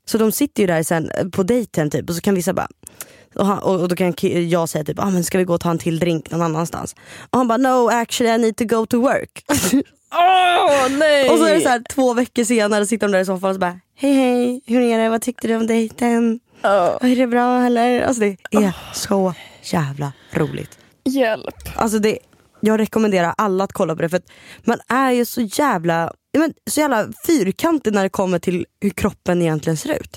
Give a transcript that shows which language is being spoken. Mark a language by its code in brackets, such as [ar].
[sv] Så de sitter ju där sen på dejten typ, och så kan vissa bara, och då kan jag säga typ, men ska vi gå och ta en till drink någon annanstans? Och han bara, [en] no, actually I need to go to work. [sv] nej! Och så är det så här, 2 veckor senare sitter de där i soffan och så bara, hej, hur är det, vad tyckte du om dejten? Oh. Är det bra eller? Alltså det är så jävla roligt. Hjälp. Alltså jag rekommenderar alla att kolla på det. För att man är ju så jävla, men så jävla fyrkantig när det kommer till hur kroppen egentligen ser ut.